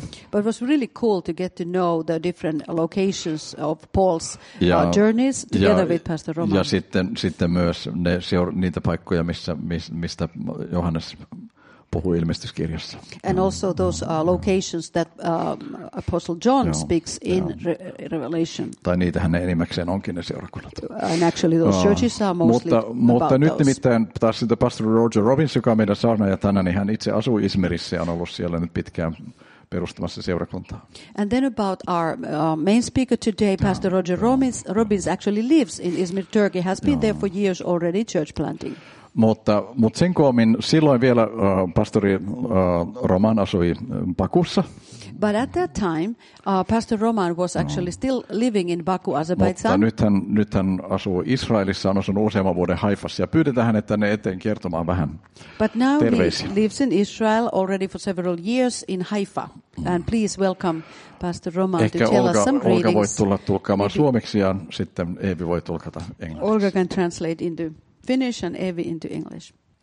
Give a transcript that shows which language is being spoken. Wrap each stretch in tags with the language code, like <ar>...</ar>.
<en>But it was really cool to get to know the different locations of Paul's journeys together with Pastor Roman.</en> <fi>Ja sitten myös niitä paikkoja, mistä Johannes puhui ilmestyskirjassa.</fi> <en>And also those locations that Apostle John speaks in Revelation.</en> <fi>Tai niitähän ne enimmäkseen onkin ne seurakunnat.</fi> <en>And actually those churches are mostly</en> <fi>Mutta nyt nimittäin taas sitä Pastor Roger Robbins, joka on meidän saarnaajatana, niin hän itse asuu Izmirissä ja on ollut siellä nyt pitkään perustamassa seurakuntaa.</fi> <en>And then about our main speaker today, Pastor Roger Robbins actually lives in Izmir, Turkey, has been there for years already church planting.</en> <fi>Mutta sen koomin silloin vielä pastori Roman asui Bakussa.</fi> <en>But at that time, Pastor Roman was actually still living in Baku, Azerbaijan.</en> <fi>Mutta nythän asuu Israelissa, on asunut useamman vuoden Haifassa ja pyydetään hänet tänne eteen kertomaan vähän terveisiä.</fi> <en>But now he lives in Israel already for several years in Haifa. And please welcome Pastor Roman</en> <fi>Ehkä</fi> <en>to tell</en> <fi>Olga,</fi> <en>us some greetings.</en> <fi>Olga voi tulla tulkkaamaan suomeksi ja sitten Eevi voi tulkata englanniksi.</fi> <en>Olga can translate into Finnish and Evi into English.</en>